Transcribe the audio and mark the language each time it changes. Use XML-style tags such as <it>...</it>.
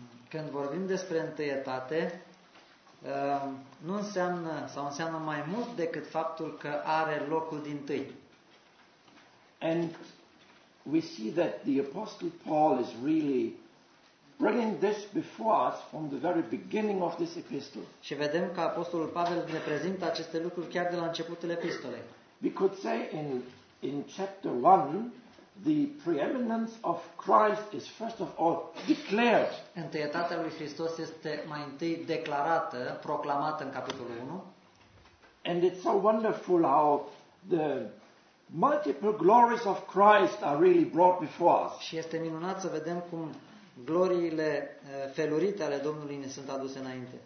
<ro>Când vorbim despre întâietate, nu înseamnă sau înseamnă mai mult decât faptul că are locul dintâi.</ro> <en>And we see that the Apostle Paul is really bringing this before us from the very beginning of this epistle.</en> <ro>Și vedem că apostolul Pavel ne prezintă aceste lucruri chiar de la începutul epistolei.</ro> <en>We could say in chapter 1 the preeminence of Christ is first of all declared.</en> <ro>Întâietatea lui Hristos este mai întâi declarată, proclamată în capitolul 1.</ro> <en>And it's so wonderful how the multiple glories of Christ are really brought before us.</en> <ro>Și este minunat să vedem cum gloriile felurite ale Domnului ne sunt aduse înainte.</ro>